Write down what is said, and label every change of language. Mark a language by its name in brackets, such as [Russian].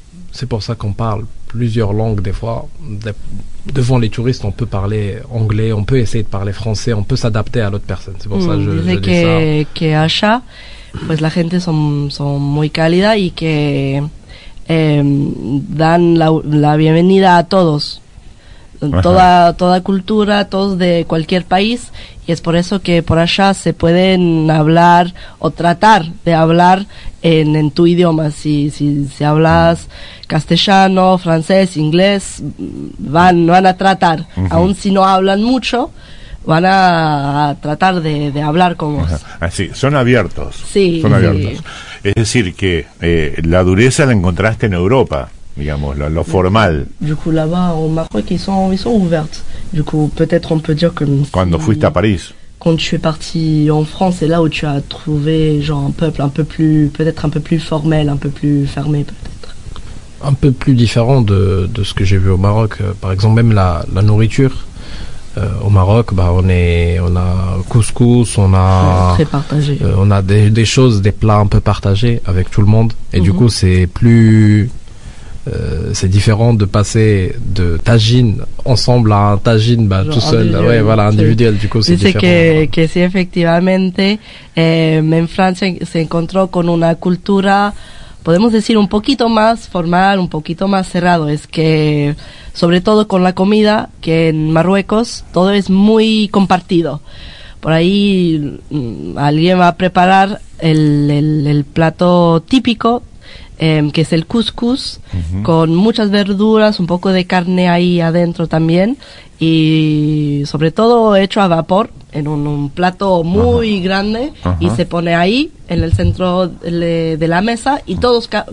[French] C'est pour ça qu'on parle plusieurs langues des fois. Devant les touristes, on peut parler anglais, on peut essayer de parler français, on peut s'adapter à l'autre personne. C'est pour ça que je dis que, ça. [Spanish] Que allá, pues la gente son muy cálida y que dan la bienvenida a todos. Toda cultura, todos de cualquier país. Y es por eso que por allá se pueden hablar o tratar de hablar en tu idioma. Si hablas castellano, francés, inglés, van a tratar. Aun si no hablan mucho, van a tratar de hablar con vos. Así, son abiertos. Sí, son abiertos. Es decir, que la dureza la encontraste en Europa. Digamos, lo formal. [French] Du coup, là-bas, au Maroc, ils sont ouvertes. Du coup, peut-être on peut dire que... [Spanish] Fuiste à Paris. [French] Quand tu es parti en France, c'est là où tu as trouvé genre, un peuple un peu plus... Peut-être un peu plus formel, un peu plus fermé, peut-être. Un peu plus différent de ce que j'ai vu au Maroc. Par exemple, même la nourriture. Au Maroc, bah, on a couscous, on a... Très partagé. On a des choses, des plats un peu partagés avec tout le monde. Et du coup, c'est plus... c'est différent de passer de tagine ensemble à un tagine tout seul, ouais, voilà, individuel, du coup c'est différent. [Spanish] Que sí, efectivamente, en Francia se encontró con una cultura, podemos decir, un poquito más formal, un poquito más cerrado, es que, sobre todo con la comida, que en Marruecos todo es muy compartido. Por ahí alguien va a preparar el plato típico, que es el couscous, con muchas verduras, un poco de carne ahí adentro también, y sobre todo hecho a vapor, en un plato muy grande, y se pone ahí, en el centro de la mesa, y todos